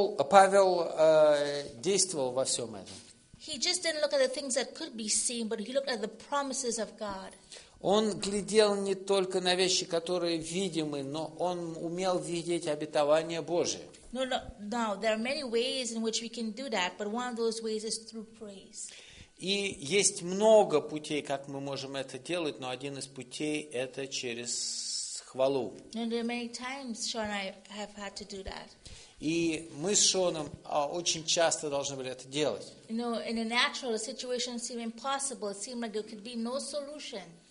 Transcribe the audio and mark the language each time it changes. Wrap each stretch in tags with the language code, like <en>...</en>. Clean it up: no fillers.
<ru>Павел действовал во всем этом.</ru> <en>He just didn't look at the things that could be seen, but he looked at the promises of God.</en> <ru>Он глядел не только на вещи, которые видимы, но он умел видеть обетование Божие.</ru> <en>No, there are many ways in which we can do that, but one of those ways is through praise.</en> <ru>И есть много путей, как мы можем это делать, но один из путей – это через хвалу.</ru> <en>And there are many times Sean and I have had to do that.</en> <ru>И мы с Шоном очень часто должны были это делать.</ru> <en>You know, in a natural situation seem impossible, it seemed like there could be no solution.</en>